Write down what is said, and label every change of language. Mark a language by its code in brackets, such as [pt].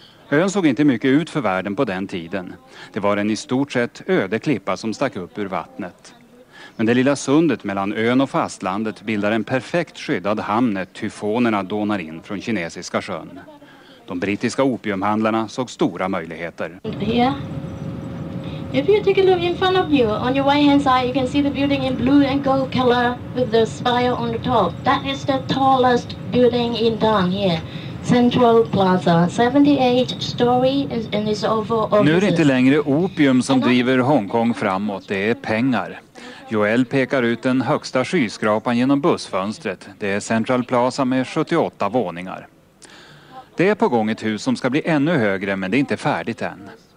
[sv] Ön såg inte mycket ut för världen på den tiden. Det var en i stort sett öde klippa som stack upp ur vattnet. Men det lilla sundet mellan ön och fastlandet bildar en perfekt skyddad hamn när tyfonerna donar in från Kinesiska sjön. De brittiska opiumhandlarna såg stora möjligheter. [en] Here. If you take a look in front of you, on your right hand side, you can see the building in blue and gold color with the spire on the top. That is the tallest building in town here. Central Plaza, 78 story and it's over. [sv] Nu är det inte längre opium som driver Hongkong framåt, det är pengar. Joel pekar ut den högsta skyskrapan genom bussfönstret. Det är Central Plaza med 78 våningar. Det är på gång ett hus som ska bli ännu högre, men det är inte färdigt än.